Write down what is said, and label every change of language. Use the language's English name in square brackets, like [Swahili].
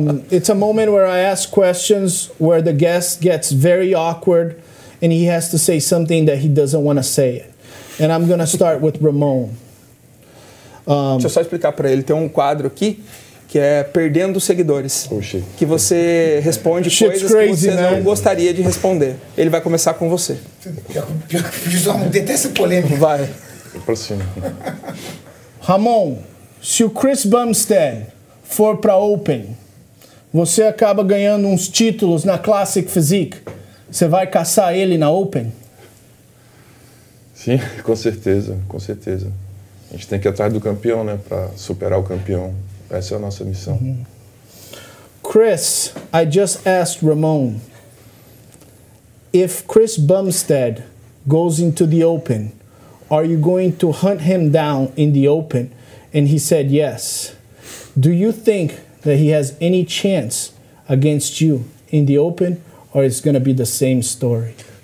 [English] It's a moment where I ask questions where the guest gets very awkward and he has to say something that he doesn't want to say. And I'm going to start with Ramon. [Portuguese] Deixa eu só explicar para ele. Tem um quadro aqui que é Perdendo Seguidores. Oxi. Que você responde coisas [English] crazy, [Portuguese] que você, né, não gostaria de responder. Ele vai começar com você. Eu detesto polêmica. Vai. Pra cima. Ramon, se o Chris Bumstead for para Open, você acaba ganhando uns títulos na Classic Physique. Você vai caçar ele na Open? Sim, com certeza, com certeza. A gente tem que ir atrás do campeão, né, para superar o campeão. Essa é a nossa missão. Uhum. [English] Chris, I just asked Ramon, if Chris Bumstead goes into the Open, are you going to hunt him down in the Open? And he said yes. Do you think that he has any chance against you in the Open, or it's going to be the same story?